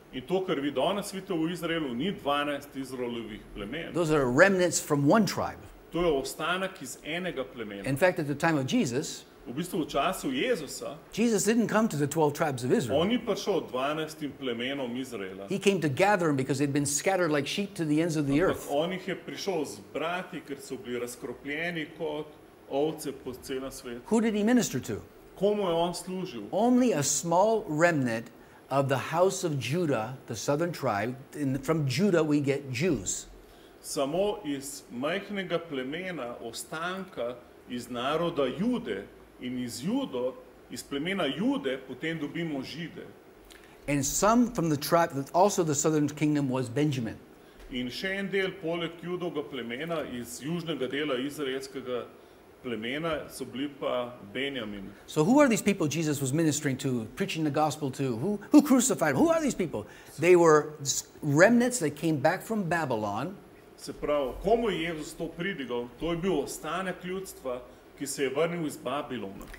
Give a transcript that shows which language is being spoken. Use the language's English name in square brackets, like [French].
[Slovenian] In to, kar vi danes vidite v Izraelu, ni 12 Izraelovih plemen. [English] Those are remnants from one tribe. [Slovenian] To je ostanek iz enega plemena. [English] In fact, at the time of Jesus, [Slovenian] v bistvu v času Jezusa, [English] Jesus didn't come to the 12 tribes of Israel. [Slovenian] On ni prišel 12 plemenom Izraela. [English] He came to gather them because they'd been scattered like sheep to the ends of the earth. [Slovenian] On jih je prišel zbrati, ker so bili razkropljeni kot ovce po celem svetu. [English] Who did he minister to? [Slovenian] Komu je on služil? [English] Only a small remnant of the house of Judah, the southern tribe, and from Judah we get Jews. [Slovenian] Samo iz majhnega plemena ostanka iz naroda Jude in iz Judo, iz plemena Jude, potem dobimo Žide. [English] And some from the tribe, also the southern kingdom was Benjamin. [Slovenian] In še en del poleg Judovega plemena iz južnega dela izraelskega plemena so bili pa Benjamin. [English] So who are these people Jesus was ministering to, preaching the gospel to? Who crucified him? Who are these people? They were remnants that came back from Babylon. [Slovenian] Se pravi, komu je Jezus to pridigal? To je bil ostanek ljudstva, ki se je vrnil iz Babilona.